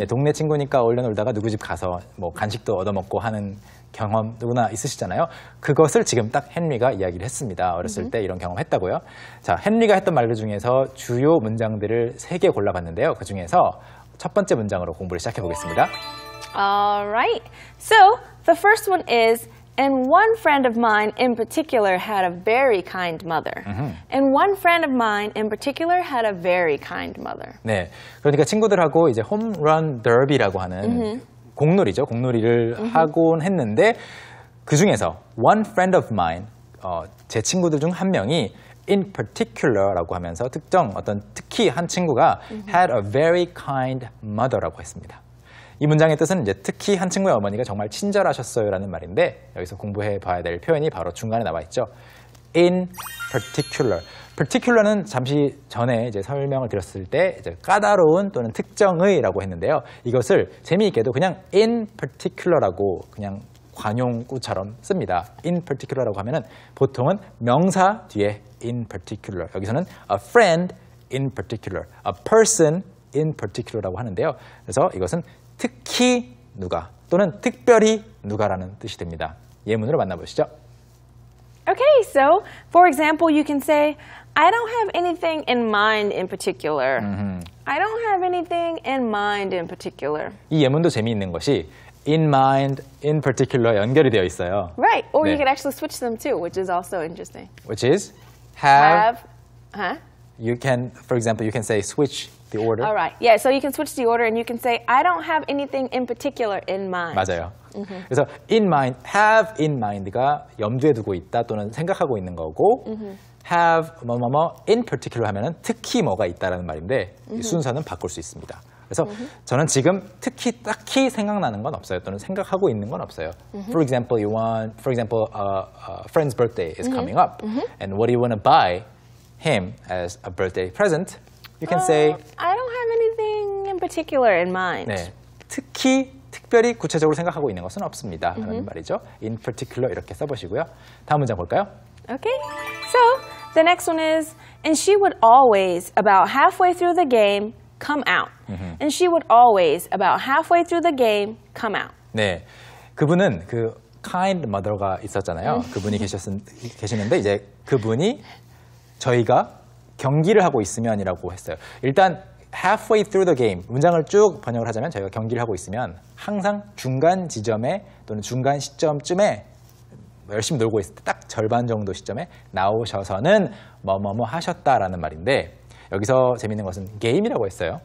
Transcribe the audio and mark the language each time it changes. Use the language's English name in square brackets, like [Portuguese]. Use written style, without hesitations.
[Korean] 네, 동네 친구니까 어울려 놀다가 누구 집 가서 뭐 간식도 얻어 먹고 하는. 경험 누구나 있으시잖아요. 그것을 지금 딱 헨리가 이야기를 했습니다. 어렸을 때 이런 경험 했다고요. 자, 헨리가 했던 말들 중에서 주요 문장들을 세 개 골라봤는데요. 그 중에서 첫 번째 문장으로 공부를 시작해 보겠습니다. [English] Alright, so the first one is And one friend of mine in particular had a very kind mother. Mm-hmm. And one friend of mine in particular had a very kind mother. [Korean] 네, 그러니까 친구들하고 이제 홈런 더비라고 하는 mm-hmm. 공놀이죠. 공놀이를 mm-hmm. 하곤 했는데 그 중에서 [English] one friend of mine, [Korean] 제 친구들 중 한 명이 [English] in particular [Korean] 라고 하면서 특정 어떤 특히 한 친구가 mm-hmm. [English] had a very kind mother [Korean] 라고 했습니다. 이 문장의 뜻은 이제 특히 한 친구의 어머니가 정말 친절하셨어요라는 말인데 여기서 공부해 봐야 될 표현이 바로 중간에 나와 있죠. [English] In particular. [Korean] Particular는 잠시 전에 이제 설명을 드렸을 때 이제 까다로운 또는 특정의라고 했는데요. 이것을 재미있게도 그냥 [English] in particular [Korean] 라고 그냥 관용구처럼 씁니다. [English] In particular [Korean] 라고 하면은 보통은 명사 뒤에 [English] in particular. [Korean] 여기서는 [English] a friend in particular, a person in particular [Korean] 라고 하는데요. 그래서 이것은 특히 누가 또는 특별히 누가라는 뜻이 됩니다. 예문으로 만나보시죠. [English] Okay, so for example, you can say, I don't have anything in mind in particular. Mm-hmm. I don't have anything in mind in particular. [Korean] 이 예문도 재미있는 것이 [English] in mind, in particular [Korean] 연결이 되어 있어요. [English] Right, or [Korean] 네. [English] you can actually switch them too, which is also interesting. Which is have, huh? You can, for example, you can say switch the order. All right, yeah, so you can switch the order and you can say, I don't have anything in particular in mind. [Korean] 맞아요. Mm-hmm. 그래서 in mind, [English] have in mind [Korean] 가 염두에 두고 있다 또는 생각하고 있는 거고 mm-hmm. have 뭐뭐뭐 [English] in particular [Korean] 하면은 특히 뭐가 있다라는 말인데 mm-hmm. 순서는 바꿀 수 있습니다. 그래서 mm-hmm. 저는 지금 특히 딱히 생각나는 건 없어요 또는 생각하고 있는 건 없어요. [English] Mm-hmm. For example, you want, for example, a friend's birthday is mm-hmm. coming up, mm-hmm. and what do you want to buy him as a birthday present? You can say, I don't have anything in particular in mind. [Korean] 네, 특히 특별히 구체적으로 생각하고 있는 것은 없습니다. 라는 mm-hmm. 말이죠. [English] In particular [Korean] 이렇게 써보시고요. 다음 문장 볼까요? [English] Okay. So, the next one is, And she would always, about halfway through the game, come out. Mm-hmm. And she would always, about halfway through the game, come out. [Korean] 네, 그분은 그 [English] kind mother [Korean] 가 있었잖아요. 그분이 계시는데 이제 그분이 저희가 경기를 하고 있으면이라고 했어요. 일단 [English] halfway through the game, [Korean] 문장을 쭉 번역을 하자면 저희가 경기를 하고 있으면 항상 중간 지점에 또는 중간 시점쯤에 열심히 놀고 있을 때 딱 절반 정도 시점에 나오셔서는 뭐뭐뭐 하셨다라는 말인데 여기서 재밌는 것은 게임이라고 했어요.